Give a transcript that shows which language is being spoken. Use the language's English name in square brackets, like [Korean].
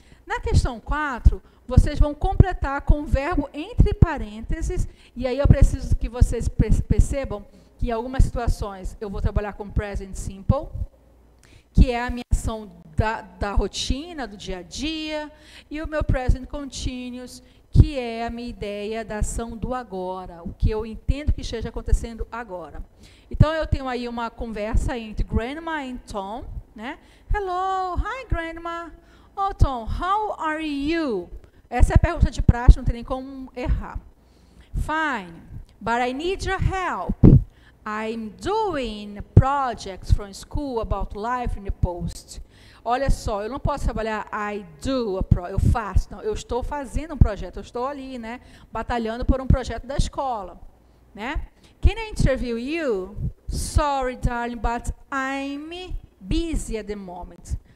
[Portuguese] Na questão 4, vocês vão completar com o verbo entre parênteses, e aí eu preciso que vocês percebam que em algumas situações eu vou trabalhar com present simple, que é a minha ação da rotina, do dia a dia, e o meu present continuous, que é a minha ideia da ação do agora, o que eu entendo que esteja acontecendo agora. Então, eu tenho aí uma conversa entre grandma e Tom, né? [English] Hello, hi grandma. Oh, Tom, how are you? [Portuguese] Essa é a pergunta de praxe, não tem nem como errar. [English] Fine, but I need your help. I'm doing projects from school about life in the post. [Portuguese] Olha só, eu não posso trabalhar I do, eu faço. Não, eu estou fazendo um projeto, eu estou ali, né, batalhando por um projeto da escola. [English] Né? Can I interview you? Sorry, darling, but I'm busy at the moment.